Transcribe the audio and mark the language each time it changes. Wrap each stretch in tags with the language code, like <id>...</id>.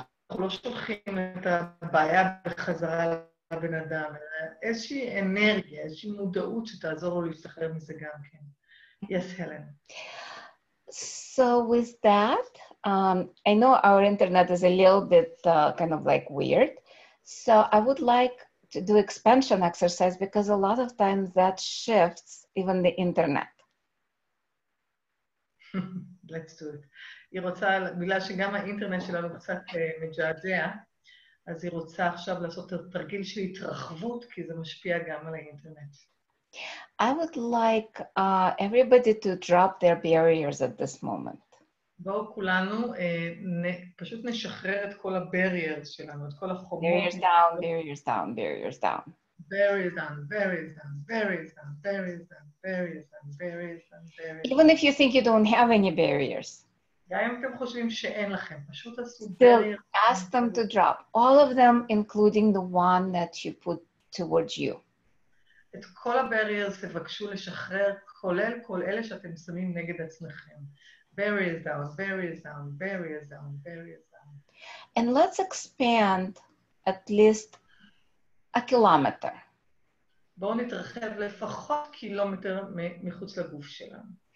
<he>אנחנו לא שולחים את הבעיה בחזרה לבן אדם, אלא איזושהי אנרגיה, איזושהי מודעות שתעזור לו להשתחרר מזה גם כן.</he> <en>Yes, Helen. So with that, I know our internet is a little bit kind of like weird. So I would like to do expansion exercise because a lot of times that shifts even the internet. Let's do it.</en> <he>היא רוצה, בגלל שגם האינטרנט שלה הוא קצת מג'עדע, אז היא רוצה עכשיו לעשות תרגיל של התרחבות, כי זה משפיע גם על האינטרנט.</he> <en>I would like everybody to drop their barriers at this moment.</en> <he>בואו כולנו פשוט נשחרר את כל הבריירס שלנו, את כל החומות.</he> <en>Barriers down, barriers down, barriers down. Barriers down, barriers down, barriers down, barriers down, barriers down, barriers down, barriers down. Even if you think you don't have any barriers.</en> <he>גם אם אתם חושבים שאין לכם, פשוט עשו</he> <en>בריירס. Ask them to drop. All of them, including the one that you put towards you.</en> <he>את כל הבריירס תבקשו לשחרר, כולל כל אלה שאתם שמים נגד עצמכם.</he> <en>Barriers down, barriers down, barriers down, barriers down. And let's expand at least a kilometer.</en> <he>בואו נתרחב לפחות קילומטר מחוץ לגוף שלנו.</he>